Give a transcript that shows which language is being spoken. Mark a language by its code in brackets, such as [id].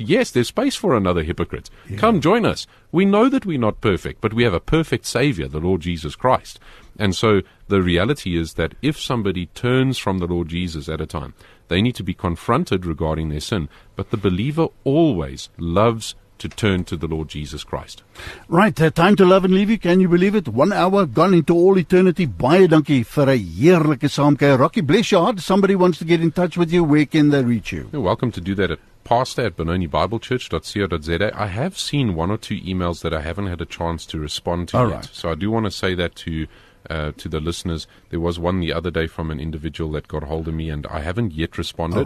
[en] Yes, there's space for another hypocrite. Yeah. Come join us. We know that we're not perfect, but we have a perfect Savior, the Lord Jesus Christ. And so the reality is that if somebody turns from the Lord Jesus at a time, they need to be confronted regarding their sin. But the believer always loves to turn to the Lord Jesus Christ. Right, time to love and leave you. Can you believe it? 1 hour gone into all eternity. [af] Baie dankie vir 'n heerlike saamkuier. [en] Rocky, bless your heart. Somebody wants to get in touch with you. Where can they reach you? You're welcome to do that at pastor@benonibiblechurch.co.za. I have seen one or two emails that I haven't had a chance to respond to yet. So I do want to say that to the listeners. There was one the other day from an individual that got hold of me, and I haven't yet responded.